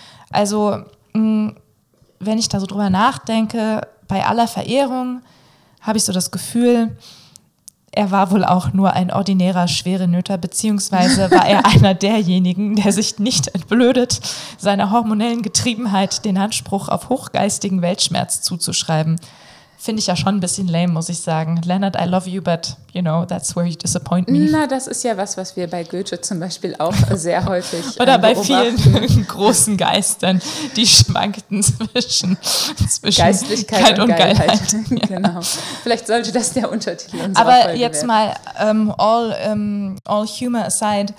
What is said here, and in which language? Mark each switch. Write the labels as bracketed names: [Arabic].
[German] Also, wenn ich da so drüber nachdenke, bei aller Verehrung habe ich so das Gefühl, er war wohl auch nur ein ordinärer Schwerenöter, beziehungsweise war er einer derjenigen, der sich nicht entblödet, seiner hormonellen Getriebenheit den Anspruch auf hochgeistigen Weltschmerz zuzuschreiben. Finde ich ja schon ein bisschen lame, muss ich sagen. [English] Leonard, I love you, but you know, that's where you disappoint me. [German] Na, das ist ja was, was wir bei Goethe zum Beispiel auch sehr häufig beobachten. Oder bei vielen großen Geistern, die schwankten zwischen Geistlichkeit und Geilheit. Ja. Genau. Vielleicht sollte das der Untertitel unserer Folge werden. Aber jetzt mal, [English] all humor aside,